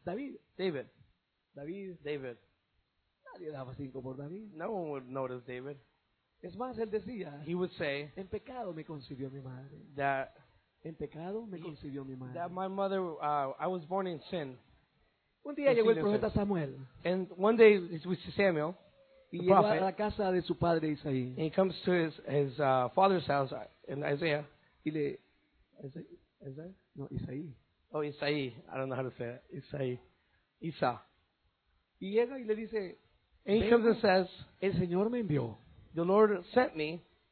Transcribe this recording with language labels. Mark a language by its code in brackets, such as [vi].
[es] David. Nadie daba cinco por David. [en] No one would notice David. [es] Es más, él decía. [en] He would say. [es] En pecado me concibió mi madre. [en] That. [es] En pecado me concibió mi madre. [en] That my mother, I was born in sin. [es] Un día llegó el profeta Samuel. [en] And one day it was Samuel. [es] Y llegó a la casa de su padre Isaí. [en] And he comes to his father's house in Isaiah. [es] Y le Isaí. [en] Oh, Isaí. I don't know how to say it. Isaí. Isa. [es] Y llega y le dice, [en] and he comes and says, [es] el Señor me envió. [en] The Lord sent me